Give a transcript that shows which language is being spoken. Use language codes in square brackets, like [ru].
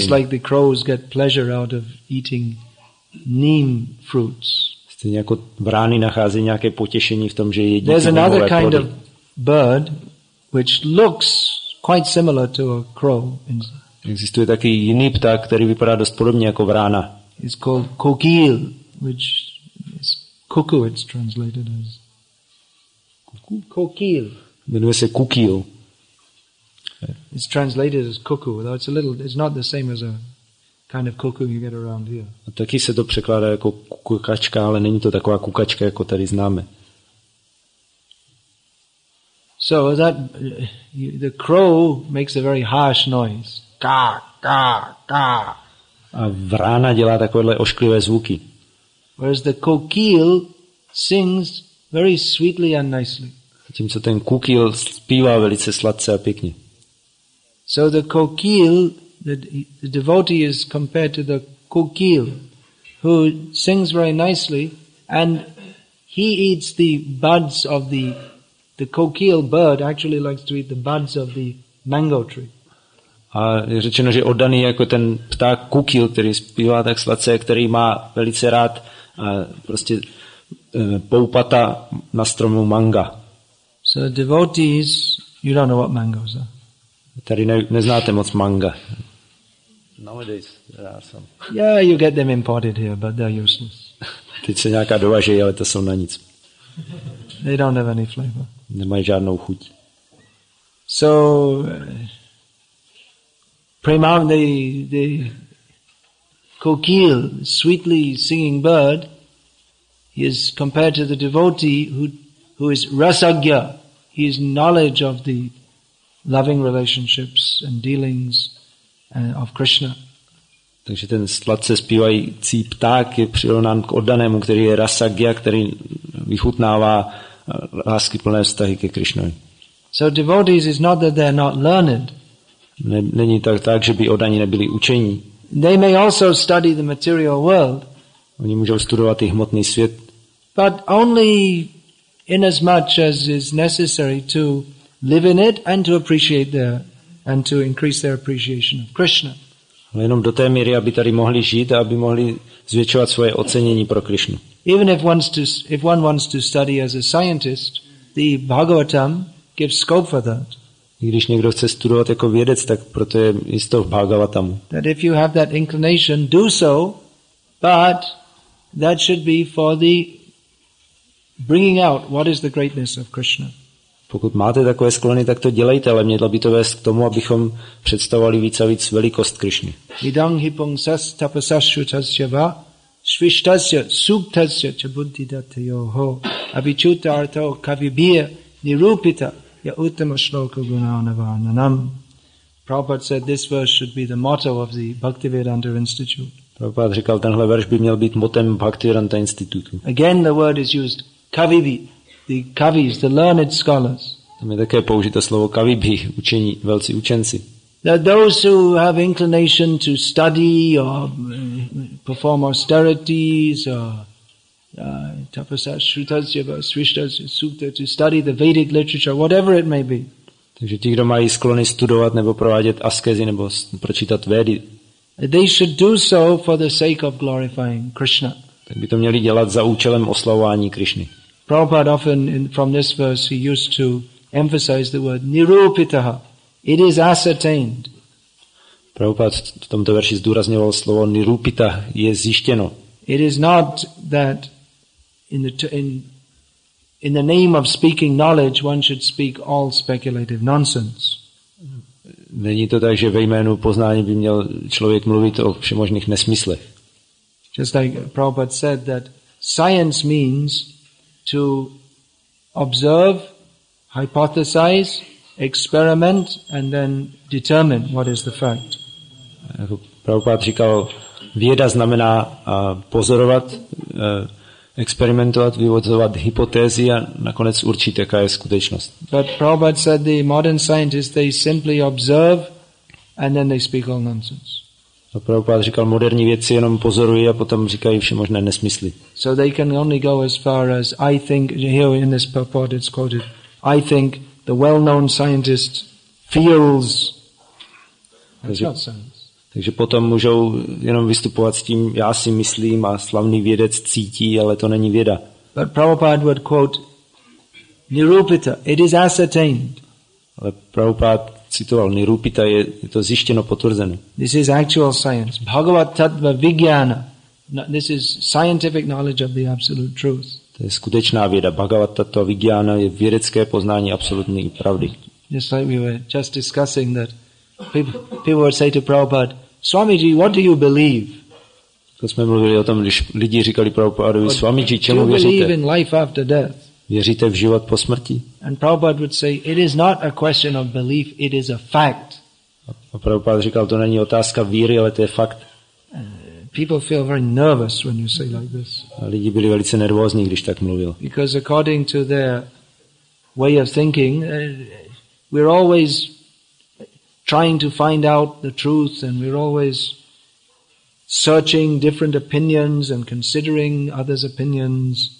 [en] Just like the crows get pleasure out of eating neem fruits. [cs] Stejně jako vrány nachází nějaké potěšení v tom, že jedí nímové plody. [en] There's another kind of bird which looks quite similar to a crow. [cs] Existuje taky jiný pták, který vypadá dost podobně jako vrána. [en] It's called kokil, which is cuckoo, it's translated as. Kokil. [cs] Jmenuje se kukil. [en] It's translated as cuckoo, though it's a little, it's not the same as a kind of cuckoo you get around here. [cs] A taky se to překládá jako kukačka, ale není to taková kukačka, jako tady známe. [en] So that, the crow makes a very harsh noise. Ka, ka, ka. [cs] A vrána dělá takovéhle ošklivé zvuky. [en] Whereas the kokil sings very sweetly and nicely. [cs] Zatímco ten kokil zpívá velice sladce a pěkně. [en] So the kokil, the devotee is compared to the kokil, who sings very nicely, and he eats the buds of the kokil bird actually likes to eat the buds of the mango tree. [cs] A je řečeno, že oddaný jako ten pták kukil, který zpívá tak sladce, který má velice rád prostě poupata na stromu manga. [en] So devotees, you don't know what mangoes are. [cs] Tady neznáte moc manga. [en] Nowadays there are some. Yeah, you get them imported here, but they're useless. [cs] Teď se nějaká dovažejí, ale to jsou na nic. [en] They don't have any flavor. [cs] Nemají žádnou chuť. [en] So Premam, the kokil, sweetly singing bird, he is compared to the devotee who is rasagya. He is knowledge of the loving relationships and dealings of Krishna. [cs] Takže ten sladce zpívající pták je přirovnán k oddanému, který je rasagya, který vychutnává láskyplné vztahy ke Krishnovi. [en] So devotees, it's not that they're not learned. [cs] Není tak, že by oddaní nebyli učení. [en] They may also study the material world. [cs] Oni můžou studovat i hmotný svět. [en] But only in as much as is necessary to live in it and to appreciate there and to increase their appreciation of Krishna. [cs] Ale jenom do té míry, aby tady mohli žít a aby mohli zvětšovat svoje ocenění pro Krishnu. [en] Even if one wants to study as a scientist, the Bhagavatam gives scope for that. [cs] I když někdo chce studovat jako vědec, tak proto je jisto v Bhagavatamu. [en] That if you have that inclination, do so, but that should be for the bringing out what is the greatness of Krishna. [cs] Pokud máte takové sklony, tak to dělejte, ale mělo by to vést k tomu, abychom představovali víc a víc velikost Krišny. [sa] Vidang hipung sas tapasashrutasya va svishtasya suktasya ca buddhi datayoho abhichuta arto kavibhya nirupita ya uttama shloka gunana varnanam. [en] Prabhupada said this verse should be the motto of the Bhaktivedanta Institute. [cs] Prabhupada říkal, tenhle verš by měl být motem Bhaktivedanta Institutu. [en] Again the word is used, kavibhi. The kavis, the learned scholars. [cs] Tam je také použito slovo kavibhi, učení, velcí učenci. [en] That those who have inclination to study or perform austerities or tapasas, [sa] shrutasya, svishtasya, sukta, [en] to study the Vedic literature, whatever it may be. [cs] Takže ti, kdo mají sklony studovat nebo provádět askezi nebo pročítat vedy. [en] They should do so for the sake of glorifying Krishna. [cs] Tak by to měli dělat za účelem oslavování Krišny. [en] Prabhupada often from this verse he used to emphasize the word nirupitaha. It is ascertained. [cs] Prabhupada v tomto verši zdůrazňoval slovo nirupita, je zjištěno. [en] It is not that in the name of speaking knowledge one should speak all speculative nonsense. [cs] Není to tak, že ve jménu poznání by měl člověk mluvit o všemožných nesmyslech. [en] Just like Prabhupada said that science means to observe, hypothesize, experiment, and then determine what is the fact. [cs] Prabhupada říkal, věda znamená pozorovat, experimentovat, vyvozovat hypotézy a nakonec určit, jaká je skutečnost. [en] But Prabhupada said the modern scientists, they simply observe and then they speak all nonsense. [cs] A Prabhupada říkal, moderní věci jenom pozorují a potom říkají všemožné nesmysly. [en] So they can only go as far as I think, here in this purport it's quoted, I think the well-known scientist feels. [cs] Takže potom můžou jenom vystupovat s tím, já si myslím a slavný vědec cítí, ale to není věda. [en] But Prabhupada would quote, nirupita, it is ascertained. [cs] Ale Prabhupada citoval, nirupita, je to zjištěno, potvrzeno. [en] This is actual science. [sa] Bhagavat tattva vigyana. [en] This is scientific knowledge of the absolute truth. [cs] To je skutečná věda. [sa] Bhagavat tattva vigyana [cs] je vědecké poznání absolutní pravdy. [en] Just like we were just discussing that people would say to Prabhupada, Swamiji, what do you believe? [cs] To jsme mluvili o tom, když lidi říkali Prabhupadovi, Swamiji, čemu věříte? [en] Do you believe in life after death? [cs] Věříte v život po smrti? [en] And Prabhupada would say, it is not a question of belief, it is a fact. [cs] A Prabhupada říkal, to není otázka víry, ale to je fakt. [en] People feel very nervous when you say like this. [cs] A lidi byli velice nervózní, když tak mluvil. [en] Because according to their way of thinking, we're always trying to find out the truth and we're always searching different opinions and considering others' opinions.